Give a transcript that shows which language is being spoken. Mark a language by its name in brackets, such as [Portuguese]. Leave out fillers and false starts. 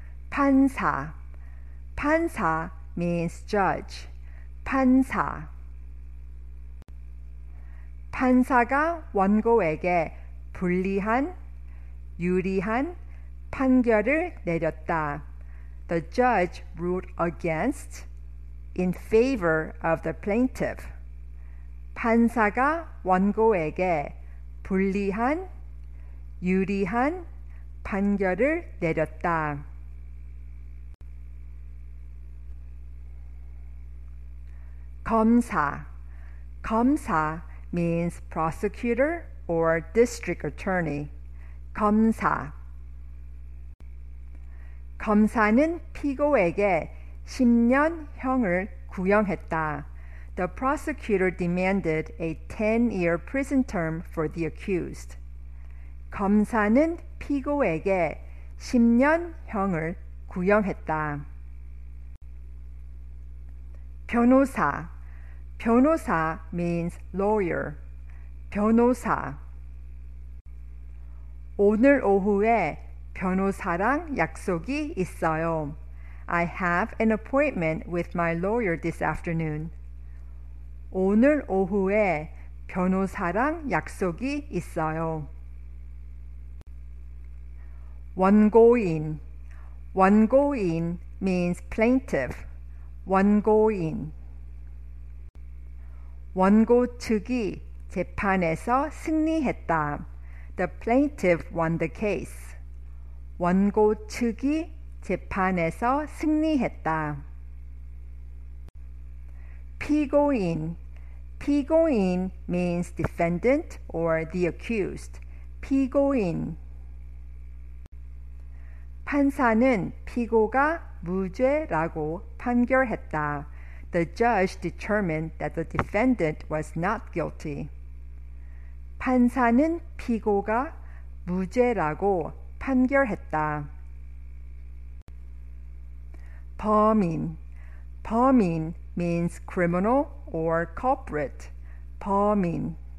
[Korean] 판사. 판사 [English] means judge. [Korean] 판사. 판사가 원고에게 불리한, 유리한 판결을 내렸다. [English] The judge ruled against, in favor of the plaintiff. [Korean] 판사가 원고에게 불리한, 유리한 판결을 내렸다. [English] 검사. 검사 means prosecutor or district attorney. 검사. [Korean] 검사는 피고에게 10년 형을 구형했다. [English] The prosecutor demanded a 10-year prison term for the accused. [Korean] 검사는 피고에게 10년 형을 구형했다. 변호사. 변호사 [English] means lawyer. [Korean] 변호사. 오늘 오후에 변호사랑 약속이 있어요. [English] I have an appointment with my lawyer this afternoon. [Korean] 오늘 오후에 변호사랑 약속이 있어요. 원고인. 원고인 [English] means plaintiff. [Korean] 원고인. 원고 측이 재판에서 승리했다. [English] The plaintiff won the case. [Korean] 원고 측이 재판에서 승리했다. [English] 피고인. 피고인 means defendant or the accused. 피고인. [Korean] 판사는 피고가 무죄라고 판결했다. [English] The judge determined that the defendant was not guilty. [Korean] 판사는 피고가 무죄라고 판결했다. [English] 범인. 범인 means criminal or culprit. 범인.